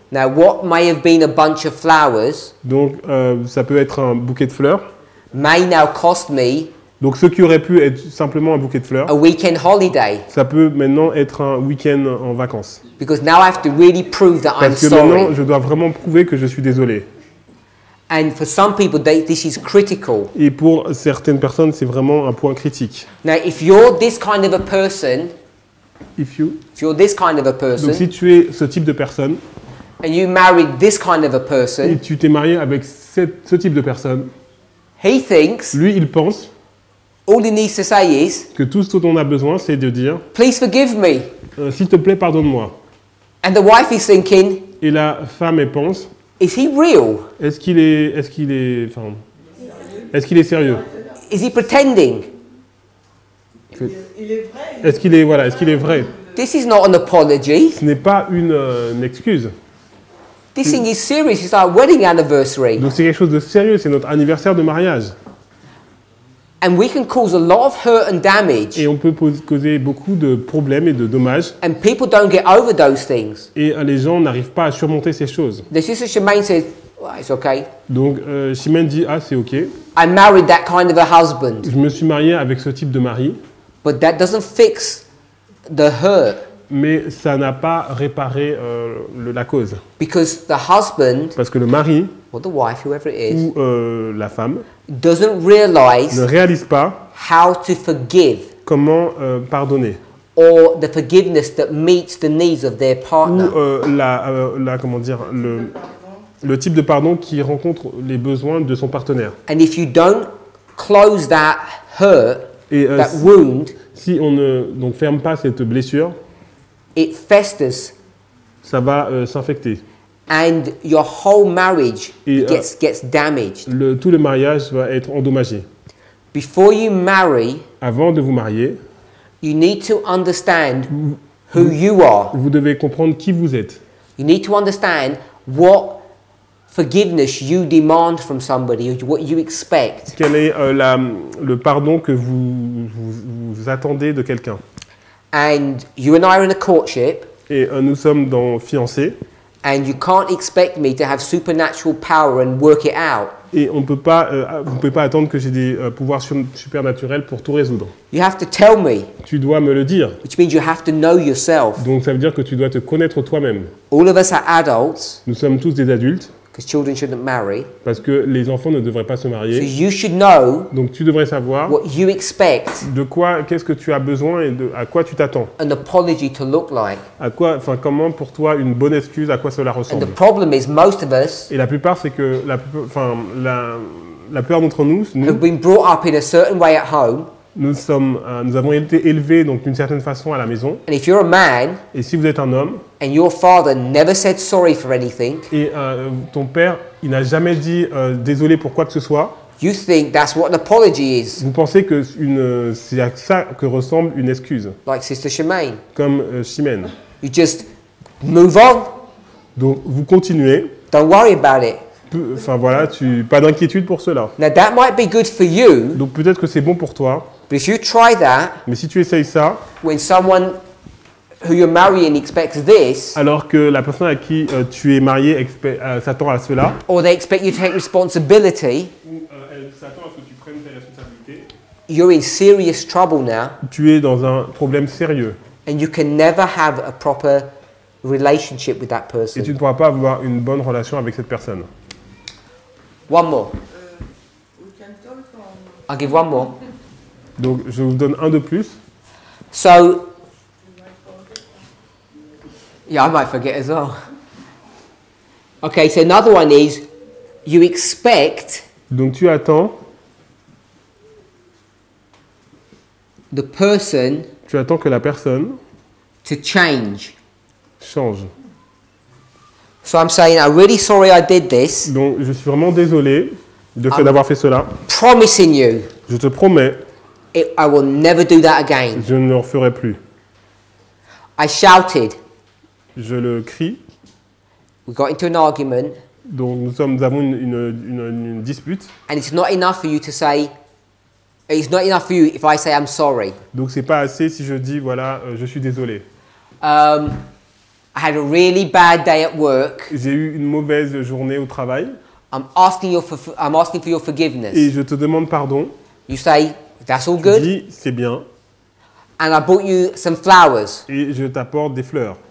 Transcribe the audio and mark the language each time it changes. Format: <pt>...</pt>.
<en>Now what may have been a bunch of flowers.</en> <fr>Donc ça peut être un bouquet de fleurs.</fr> <en>May now cost me.</en> <fr>Donc ce qui aurait pu être simplement un bouquet de fleurs.</fr> <en>A weekend holiday.</en> <fr>Ça peut maintenant être un week-end en vacances.</fr> <en>Because now I have to really prove that I'm sorry.</en> <fr>Parce que maintenant je dois vraiment prouver que je suis désolé.</fr> <en>And for some people, this is critical.</en> <fr>Et pour certaines personnes, c'est vraiment un point critique.</fr> <en>Now, if you're this kind of a person, if you're this kind of a person,</en> <fr>donc si tu es ce type de personne,</fr> <en>and you married this kind of a person,</en> <fr>et tu t'es marié avec ce type de personne,</fr> <en>he thinks,</en> <fr>lui, il pense,</fr> <en>all he needs to say is,</en> <fr>que tout ce dont on a besoin, c'est de dire,</fr> <en>please forgive me,</en> <fr>s'il te plaît, pardonne-moi.</fr> <en>And the wife is thinking,</en> <fr>et la femme elle pense.</fr> <en>Is he real?</en> <fr>Est-ce qu'il est sérieux?</fr> <en>Is he pretending?</en> <fr>Est-ce qu'il est vrai?</fr> <en>This is not an apology.</en> <fr>Ce n'est pas une excuse.</fr> <en>This thing is serious. It's our wedding anniversary.</en> <fr>Donc c'est quelque chose de sérieux. C'est notre anniversaire de mariage.</fr> <en>And we can cause a lot of hurt and damage.</en> <fr>Et on peut causer beaucoup de problèmes et de dommages.</fr> <en>And people don't get over those things.</en> <fr>Et les gens n'arrivent pas à surmonter ces choses.</fr> <en>The sister Shemaine says, well, it's okay.</en> <fr>Donc Shemaine dit, ah, c'est ok.</fr> <en>I married that kind of a husband.</en> <fr>Je me suis marié avec ce type de mari.</fr> <en>But that doesn't fix the hurt.</en> <fr>Mais ça n'a pas réparé la cause.</fr> <en>Because the husband,</en> <fr>parce que le mari,</fr> <en>or the wife, whoever it is,</en> <fr>ou la femme,</fr> <en>doesn't realize,</en> <fr>ne réalise pas,</fr> <en>how to forgive,</en> <fr>comment pardonner,</fr> <en>or the forgiveness that meets the needs of their partner,</en> <fr>ou comment dire, le type de pardon qui rencontre les besoins de son partenaire.</fr> <en>And if you don't close that hurt,</en> <fr>et,</fr> <en>that wound,</en> <fr>si on ne donc ferme pas cette blessure,</fr> <en>it festers,</en> <fr>ça va s'infecter.</fr> <en>And your whole marriage gets damaged.</en> <fr>Tout le mariage va être endommagé.</fr> <en>Before you marry,</en> <fr>avant de vous marier,</fr> <en>you need to understand who you are.</en> <fr>Vous devez comprendre qui vous êtes.</fr> <en>You need to understand what forgiveness you demand from somebody, what you expect.</en> <fr>Quel est le pardon que vous attendez de quelqu'un?</fr> <en>And you and I are in a courtship.</en> <fr>Et nous sommes dans fiancés.</fr> <en>And you can't expect me to have supernatural power and work it out.</en> <fr>Et on peut pas, vous pouvez pas attendre que j'ai des pouvoirs supernaturels pour tout résoudre.</fr> <en>You have to tell me.</en> <fr>Tu dois me le dire.</fr> <en>Which means you have to know yourself.</en> <fr>Donc ça veut dire que tu dois te connaître toi-même.</fr> <en>All of us are adults.</en> <fr>Nous sommes tous des adultes.</fr> <en>Because children shouldn't marry.</en> <fr>Parce que les enfants ne devraient pas se marier.</fr> <en>So you should know.</en> <fr>Donc tu devrais savoir.</fr> <en>What you expect.</en> <fr>De quoi, qu'est-ce que tu as besoin et à quoi tu t'attends.</fr> <en>An apology to look like.</en> <fr>À quoi, enfin comment pour toi une bonne excuse, à quoi cela ressemble.</fr> <en>And the problem is most of us.</en> <fr>Et la plupart c'est que la plupart d'entre nous.</fr> <en>Have been brought up in a certain way at home.</en> <fr>Nous avons été élevés donc d'une certaine façon à la maison.</fr> <en>And if you're a man,</en> <fr>et si vous êtes un homme,</fr> <en>and your father never said sorry for anything,</en> <fr>et ton père, il n'a jamais dit désolé pour quoi que ce soit.</fr> <en>You think that's what an apology is.</en> <fr>Vous pensez que c'est à ça que ressemble une excuse.</fr> <en>Like Sister Shemaine.</en> <fr>Comme Shemaine.</fr> <en>You just move on.</en> <fr>Donc vous continuez.</fr> <en>Don't worry about it.</en> <fr>Enfin voilà, pas d'inquiétude pour cela.</fr> <en>Now that might be good for you.</en> <fr>Donc peut-être que c'est bon pour toi.</fr> <en>But if you try that,</en> <fr>mais si tu essayes ça,</fr> <en>when someone who you're marrying expects this,</en> <fr>alors que la personne à qui tu es marié s'attend à cela,</fr> <en>or they expect you to take responsibility,</en> <fr>ou elle s'attend à ce que tu prennes tes responsabilités,</fr> <en>you're in serious trouble now.</en> <fr>Tu es dans un problème sérieux.</fr> <en>And you can never have a proper relationship with that person.</en> <fr>Et tu ne pourras pas avoir une bonne relation avec cette personne.</fr> <en>One more. I'll give one more.</en> <fr>Donc, je vous donne un de plus.</fr> <en>So, yeah, I might forget as well. Okay, so another one is, you expect.</en> <fr>Donc, tu attends.</fr> <en>The person.</en> <fr>Tu attends que la personne.</fr> <en>To change.</en> <fr>Change.</fr> <en>So I'm saying, I'm really sorry I did this.</en> <fr>Donc, je suis vraiment désolé de fait d'avoir fait cela.</fr> <en>Promising you.</en> <fr>Je te promets.</fr> <en>I will never do that again.</en> <fr>Je ne le referai plus.</fr> <en>I shouted.</en> <fr>Je le crie.</fr> <en>We got into an argument.</en> <fr>Donc, nous avons une dispute.</fr> <en>And it's not enough for you to say. It's not enough for you if I say I'm sorry.</en> <fr>Donc, c'est pas assez si je dis voilà, je suis désolé.</fr> <en>I had a really bad day at work.</en> <fr>J'ai eu une mauvaise journée au travail.</fr> <en>I'm asking for your forgiveness.</en> <fr>Et je te demande pardon.</fr> <en>You say that's all good.</en> <fr>Tu dis c'est bien.</fr> <en>And I bought you some flowers.</en> <fr>Et je t'apporte des fleurs.</fr>